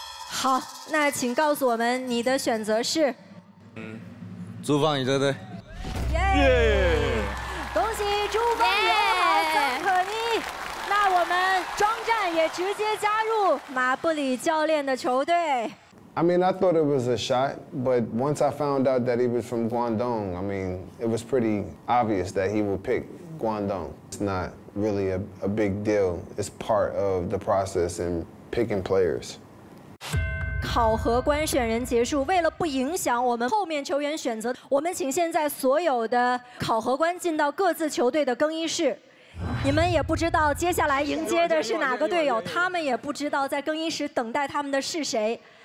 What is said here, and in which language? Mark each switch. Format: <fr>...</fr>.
<zh>好，那请告诉我们你的选择是。朱芳宇乐队。耶、恭喜朱芳宇和可妮。那我们庄战也直接加入马布里教练的球队。</zh> <en>I mean, I thought it was a shot, but once I found out that he was from Guangdong, I mean, it was pretty obvious that he would pick Guangdong. It's not really a big deal. It's part of the process in picking players.</en> <zh>考核官选人结束，为了不影响我们后面球员选择，我们请现在所有的考核官进到各自球队的更衣室。你们也不知道接下来迎接的是哪个队友，他们也不知道在更衣室等待他们的是谁。</zh>